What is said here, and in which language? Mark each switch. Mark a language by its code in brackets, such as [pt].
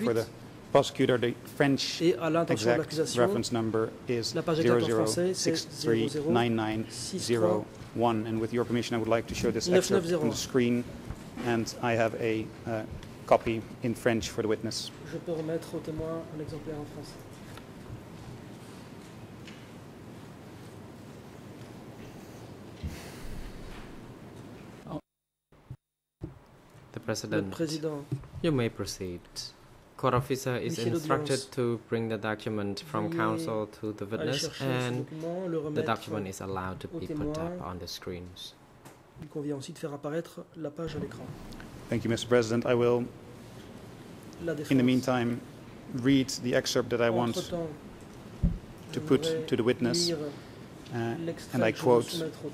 [en] 7, for the prosecutor, the French exact reference number is 00639901. And with your permission, I would like to show this excerpt on the screen. And I have a copy in French for the witness. [fr] Je peux remettre au témoin un exemplaire en français. [en] President, you may proceed. Court officer is instructed to bring the document from counsel to the witness, and the document is allowed to be put up on the screens. [fr] Il convient aussi de faire apparaître la page à l'écran. [en] Thank you, Mr. President. I will, in the meantime, read the excerpt that I want to put to the witness, and I quote.